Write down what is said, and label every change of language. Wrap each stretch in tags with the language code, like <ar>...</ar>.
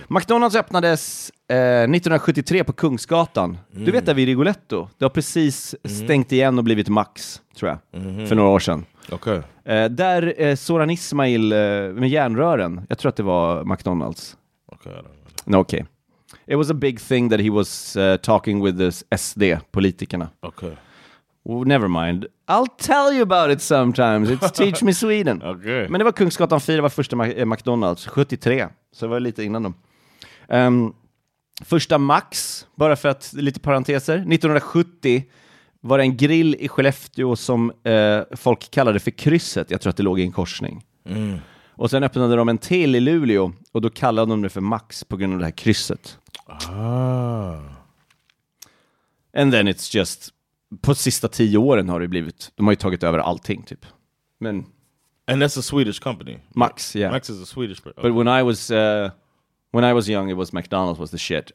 <sv>McDonald's öppnades 1973 på Kungsgatan. Mm. Du vet där vid Rigoletto. Det har precis stängt igen och blivit Max, tror jag, för några år sedan.</sv> <en>Okay.</en> <sv>Där Soran Ismail med järnrören. Jag tror att det var McDonald's. Okej.</sv> <en>Okay, okay. It was a big thing that he was talking with the SD-politikerna.</en> <sv>Okej. Okay.</sv> <en>Never mind. I'll tell you about it sometimes. It's Teach Me Sweden. Okay.</en> <sv>Men det var Kungsgatan 4, var första McDonald's. 73. Så det var lite innan dem. Första Max, bara för att lite parenteser. 1970 var det en grill i Skellefteå som folk kallade för krysset. Jag tror att det låg i en korsning. Mm. Och sen öppnade de en till i Luleå. Och då kallade de det för Max på grund av det här krysset. Ah.</sv> <en>And then it's just...</en> <sv>På sista 10 åren har det blivit... De har ju tagit över allting, typ. Men...</sv> <en>And that's a Swedish company. Max, yeah. Max is a Swedish company. Okay. But when I was young, it was McDonald's was the shit.</en>